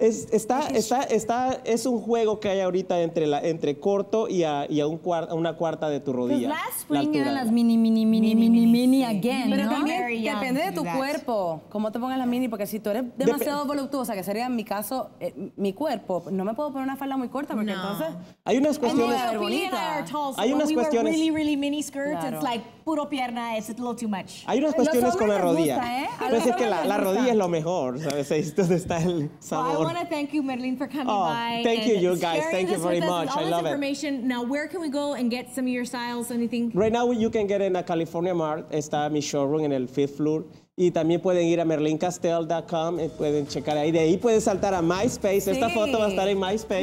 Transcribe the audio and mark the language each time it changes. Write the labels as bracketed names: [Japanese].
[Spanish] Es un juego que hay ahorita entre corto y a una cuarta de tu rodilla. [English] Last spring [Spanish] eran las [English] mini again, [Spanish] pero ¿no? También depende de tu cuerpo, cómo te pongas las mini, porque si tú eres demasiado voluptuosa, que sería en mi caso, mi cuerpo, no me puedo poner una falda muy corta, porque entonces... Hay unas cuestiones... Hay unas cuestiones... [English] Really, really mini skirts, it's like [Spanish] puro pierna, [English] it's a little too much. [Spanish] Hay unas cuestiones con la rodilla. Pues es que la rodilla es lo mejor, ¿sabes? Entonces está el... [English] I want to thank you, Merlin, for coming by. Thank you, you guys. Thank you very much. I love it. Now, where can we go and get some of your styles, anything? Right now, you can get in a California Mart. [Spanish] Está mi showroom en el [English] 5th floor. [Spanish] Y también pueden ir a merlincastell.com y pueden checar ahí. De ahí pueden saltar a MySpace. Sí. Esta foto va a estar en MySpace.